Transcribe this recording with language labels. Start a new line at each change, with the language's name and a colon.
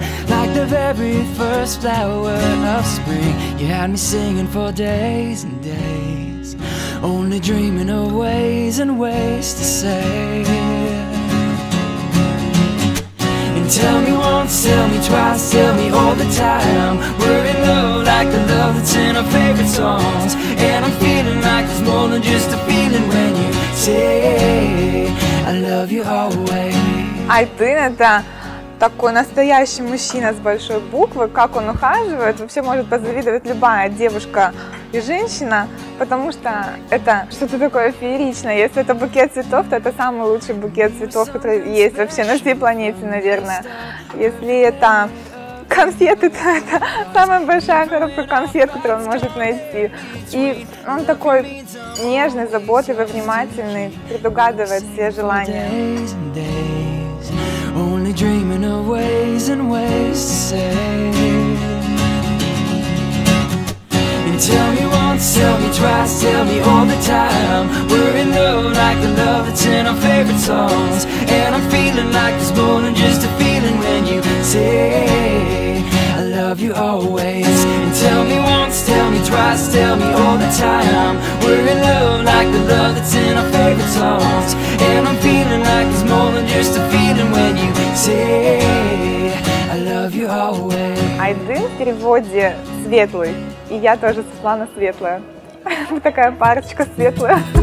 English: Like the very first flower of spring, you had me singing for days and days, only dreaming of ways and ways to say. And tell me one once, tell me twice, tell me all the time. Word and love like the love that's in our favorite songs. And I'm feeling like it's more than just a feeling when you say I love you always.
Russian: Один это такой настоящий мужчина с большой буквы, как он ухаживает, вообще может позавидовать любая девушка и женщина, потому что это что-то такое фееричное. Если это букет цветов, то это самый лучший букет цветов, который есть вообще на всей планете, наверное. Если это конфеты, то это самая большая коробка конфет, которую он может найти. И он такой нежный, заботливый, внимательный, предугадывает все желания.
English: Only dreaming of ways and ways to say. And tell me once, tell me twice, tell me all the time. We're in love like the love that's in our favorite songs. And I'm feeling like it's more than just a feeling when you say I love you always. And tell me once, tell me twice, tell me all the time. We're in love like the love that's in our favorite songs. And I'm feeling like it's more than just a feeling when you say I love you always.
Russian: Айдын в переводе светлый. И я тоже, Светлана, светлая. Мы такая парочка светлая.